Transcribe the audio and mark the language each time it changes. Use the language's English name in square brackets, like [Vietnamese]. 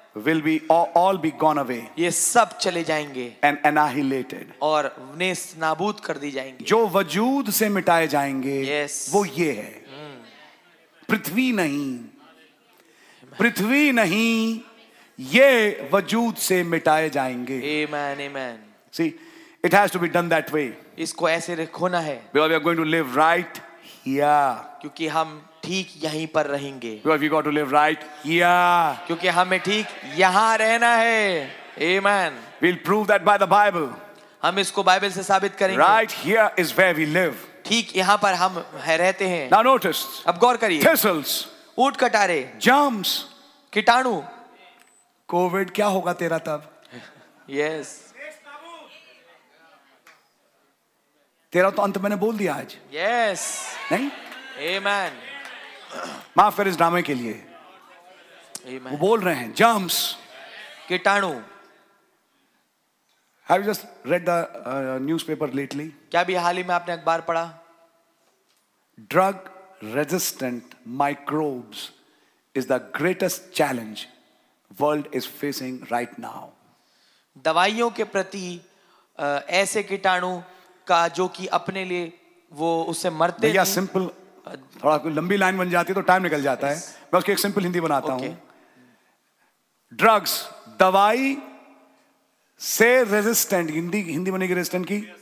[English] will be all be gone away, [Hindi] ये सब चले जाएंगे, [English] and annihilated, [Hindi] और नेस नाबूद कर दी जाएंगे, जो वजूद से मिटाए जाएंगे। [English] yes. [Hindi] वो ये है, पृथ्वी नहीं, पृथ्वी नहीं, ये वजूद से मिटाए जाएंगे. [English] Amen, amen. See, it has to be done that way. [Hindi] इसको ऐसे रखना है. [English] Because we are going to live right here. [Hindi] क्योंकि हम ठीक यहीं पर रहेंगे. [English] Because we got to live right here. [Hindi] क्योंकि हमें ठीक यहाँ रहना है. [English] Amen. We'll prove that by the Bible. [Hindi] हम इसको बाइबल से साबित करेंगे. [English] Right here is where we live. [Hindi] ठीक यहाँ पर हम रहते हैं. [English] Now notice. [Hindi] अब गौर करिए. [English] Thistles. [Hindi] ऊंट कटारे. [English] Germs. [Hindi] कीटाणु. कोविड क्या होगा तेरा तब? [English] Yes. [Hindi] तेरा तो अंत मैंने बोल दिया आज. [English] Yes. [Hindi] नहीं? [English] Amen. [Hindi] माफ कर इस ड्रामे के लिए. [English] Amen. [Hindi] वो बोल रहे हैं germs. कीटाणु. [English] Have you just read the newspaper lately? [Hindi] क्या भी हाल ही में आपने अखबार पढ़ा? [English] Drug resistant microbes is the greatest challenge world is facing right now. [Hindi] दवाइयों के प्रति ऐसे कीटाणु का जो कि अपने लिए वो उसे मरते हैं. या सिंपल थोड़ा लंबी लाइन बन जाती है तो टाइम निकल जाता है. मैं उसकी एक सिंपल हिंदी बनाता हूं. ड्रग्स दवाई से रेजिस्टेंट. हिंदी बनेगी रेजिस्टेंट की